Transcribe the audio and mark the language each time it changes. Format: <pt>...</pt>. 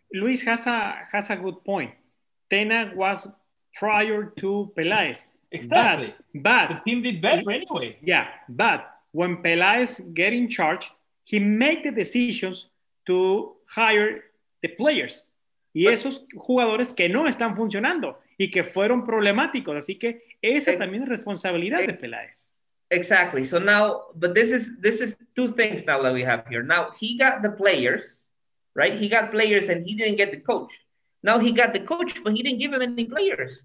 <en>Luis has a good point. Tena was prior to Peláez. Exactly. But the team did better anyway. Yeah, but when Peláez get in charge, he made the decisions to hire the players.</en> <es>Y esos jugadores que no están funcionando y que fueron problemáticos. Así que esa también es responsabilidad de Peláez.</es> <en>Exactly. So now, but this is two things now that we have here. Now, he got the players, right? He got players and he didn't get the coach. Now he got the coach, but he didn't give him any players.</en>